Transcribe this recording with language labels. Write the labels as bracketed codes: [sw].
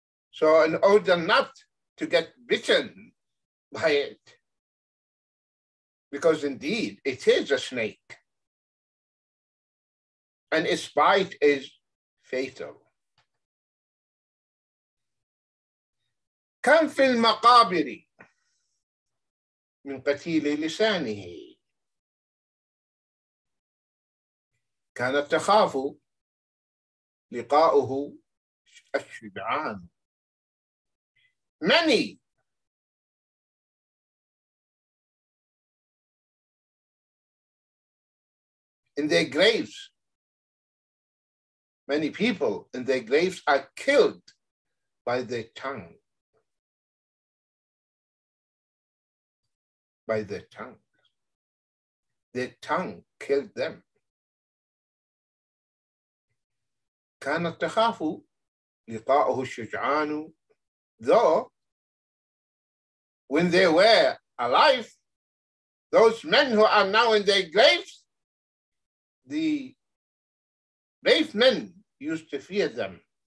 [en] So in order not to get bitten by it, because indeed it is a snake and its bite is fatal. [ar] كم في المقابر من قتيل لسانه. كانت تخاف لقاؤه الشبعان. [en] Many in their graves, many people in their graves are killed by their tongue. By their tongue. Their tongue killed them. [ar] كانت تخاف لقاؤه الشجعان. [en] Though, when they were alive, those men who are now in their graves, the brave men used to fear them.